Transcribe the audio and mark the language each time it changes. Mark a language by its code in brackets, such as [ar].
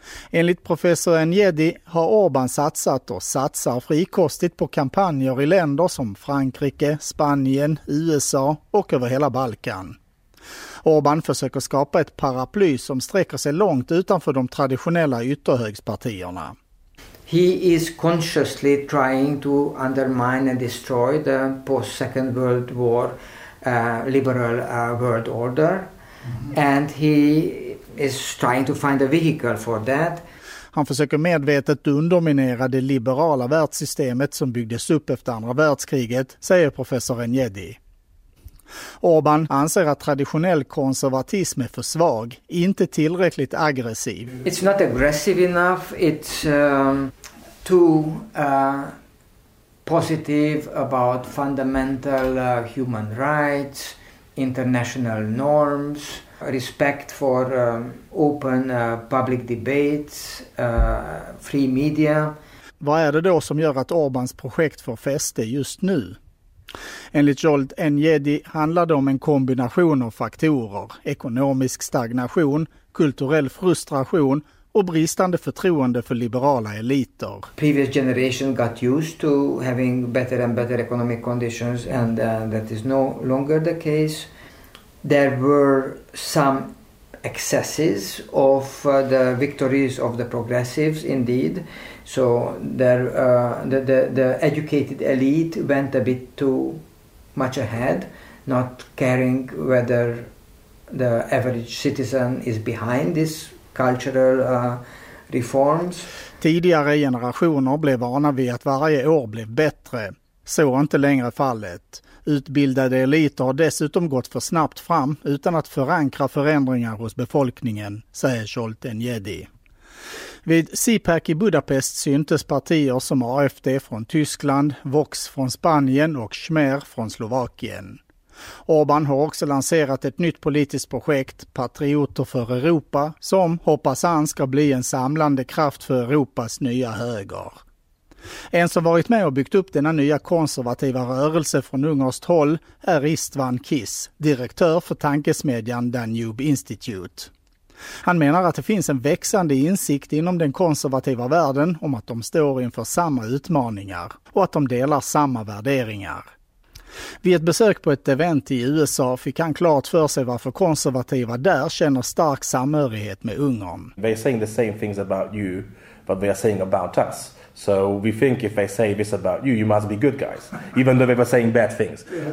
[sv] Enligt professor Enyedi har Orbán satsat och satsar frikostigt på kampanjer i länder som Frankrike, Spanien, USA och över hela Balkan. Orbán försöker skapa ett paraply som sträcker sig långt utanför de traditionella ytterhögspartierna. [en] He is consciously trying to undermine and destroy the post-second world war liberal world order. And he is trying to find a vehicle for that. [sv] Han försöker medvetet underminera det liberala världssystemet som byggdes upp efter andra världskriget, säger professor Enyedi. Orbán anser att traditionell konservatism är för svag, inte tillräckligt aggressiv. [en] It's not aggressive enough. It's too positive about fundamental human rights, international norms. respect for open public debates, free media. [sv] Vad är det då som gör att Orbans projekt får fäste just nu? Enligt Jolt Enyedi handlar det om en kombination av faktorer, ekonomisk stagnation, kulturell frustration och bristande förtroende för liberala eliter. [en] Previous generation got used to having better and better economic conditions and that is no longer the case. There were some excesses of the victories of the progressives indeed. So there the educated elite went a bit too much ahead, not caring whether the average citizen is behind this cultural reforms. [sv] Tidigare generationer blev vana vid att varje år blev bättre. Så är inte längre fallet. Utbildade eliter har dessutom gått för snabbt fram utan att förankra förändringar hos befolkningen, säger Jolt Enyedi. Vid CPAC i Budapest syntes partier som AFD från Tyskland, Vox från Spanien och Schmer från Slovakien. Orbán har också lanserat ett nytt politiskt projekt, Patrioter för Europa, som hoppas han ska bli en samlande kraft för Europas nya höger. En som varit med och byggt upp denna nya konservativa rörelse från ungerskt håll är István Kiss, direktör för tankesmedjan Danube Institute. Han menar att det finns en växande insikt inom den konservativa världen om att de står inför samma utmaningar och att de delar samma värderingar. Vid ett besök på ett event i USA fick han klart för sig varför konservativa där känner stark samhörighet med Ungern. [en] They are saying the same things about you that they are saying about us. So we think if they say this about you, you must be good guys, even though they were saying bad things.